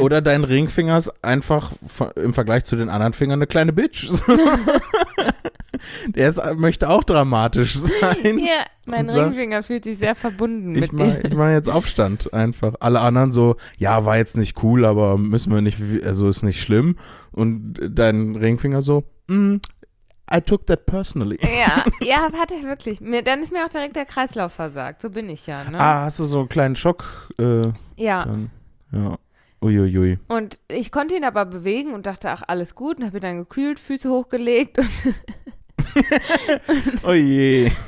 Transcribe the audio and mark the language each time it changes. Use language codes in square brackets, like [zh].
[de] Oder dein Ringfinger ist einfach im Vergleich zu den anderen Fingern eine kleine Bitch. Möchte auch dramatisch sein. Ja, mein Ringfinger fühlt sich sehr verbunden mit dir. Ich mache jetzt Aufstand einfach. Alle anderen so, ja, war jetzt nicht cool, aber müssen wir nicht, also ist nicht schlimm. Und dein Ringfinger so, [en] I took that personally. [de] Ja, warte, wirklich. Dann ist mir auch direkt der Kreislauf versagt. So bin ich ja, ne? Ah, hast du so einen kleinen Schock? Ja. Ja. Uiuiui. Und ich konnte ihn aber bewegen und dachte, ach, alles gut. Und habe ihn dann gekühlt, Füße hochgelegt und oh je.